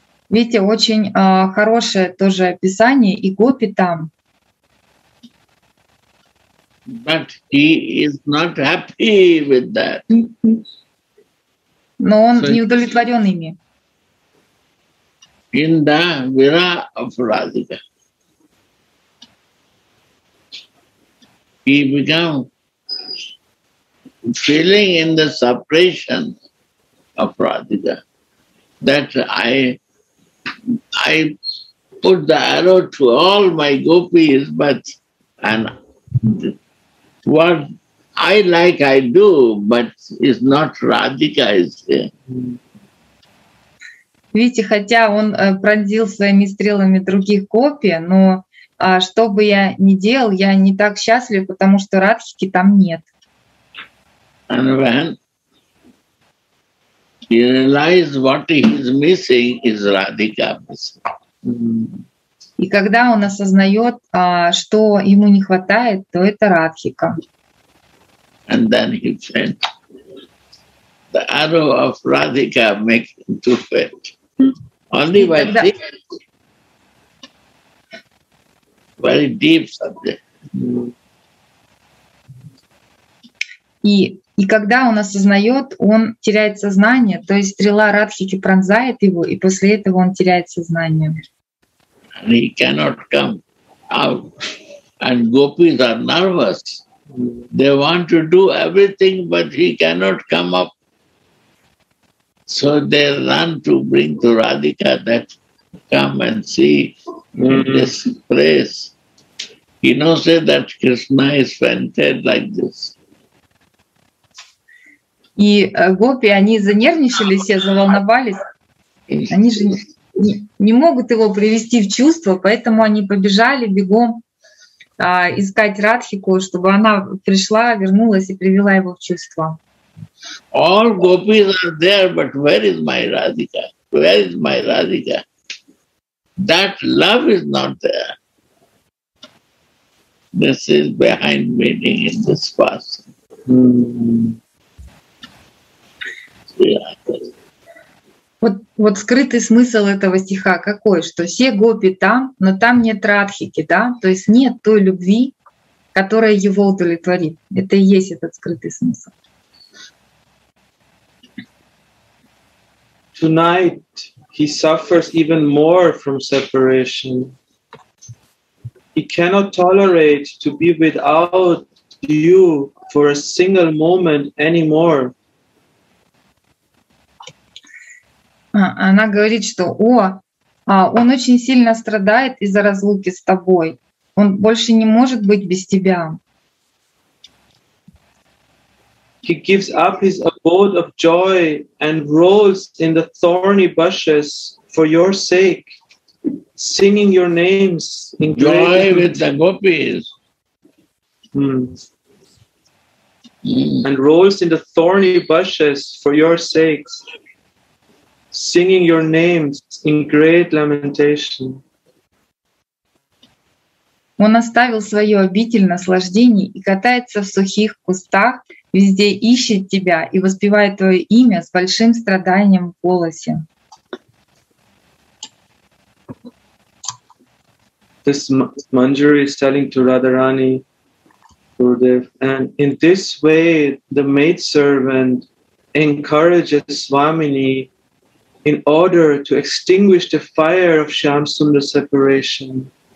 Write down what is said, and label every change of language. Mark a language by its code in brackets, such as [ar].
[ru] Видите, очень хорошее тоже описание, и гопи там. [en] But he is not happy with that. [ru] Но он не удовлетворен ими. [en] In the vira of Radhika. He became feeling in the separation of Radhika that I put the arrow to all my gopis, but and what I like I do, but is not Radhika is here. [ru] Видите, хотя он пронзил своими стрелами других гопи, но что бы я ни делал, я не так счастлив, потому что Радхики там нет. [en] And when he realized what he is missing is Radhika. [ru] И когда он осознает, что ему не хватает, то это Радхика. [en] And then he felt the arrow of Radhika make him to faint. Only by this. [ru] Тогда... [en] Very deep subject. [ru] И когда он осознает, он теряет сознание, то есть стрела Радхики пронзает его, и после этого он теряет сознание. [en] And he cannot come out. And gopis are nervous. They want to do everything, but he cannot come up. So they run to bring to Radhika that come and see in this place. He knows that Krishna is fainted like this. [ru] И гопи, они занервничали, все заволновались. Они же не могут его привести в чувство, поэтому они побежали бегом искать Радхику, чтобы она пришла, вернулась и привела его в чувство. [en] All gopis are there, but where is my Radhika? Where is my Radhika? That love is not there. This is behind meaning in this past. [ru] Вот скрытый смысл этого стиха какой, что все гопи там, но там нет Радхики, да? То есть нет той любви, которая его удовлетворит. Это и есть этот скрытый смысл. [en] Tonight he suffers even more from separation. He cannot tolerate to be without you for a single moment anymore. [ru] Она говорит, что он очень сильно страдает из-за разлуки с тобой. Он больше не может быть без тебя. [en] he gives up his abode of joy and rolls in the thorny bushes for your sake, singing your names in joy with the gopis. And rolls in the thorny bushes for your sakes, singing your names in great lamentation. [ru] Он оставил свою обитель наслаждений и катается в сухих кустах, везде ищет тебя и воспевает твое имя с большим страданием в голосе. [en] This Manjari is telling to Radharani Gurudev, and in this way the maidservant encourages Swamini in order to extinguish the fire of Shamsundar separation.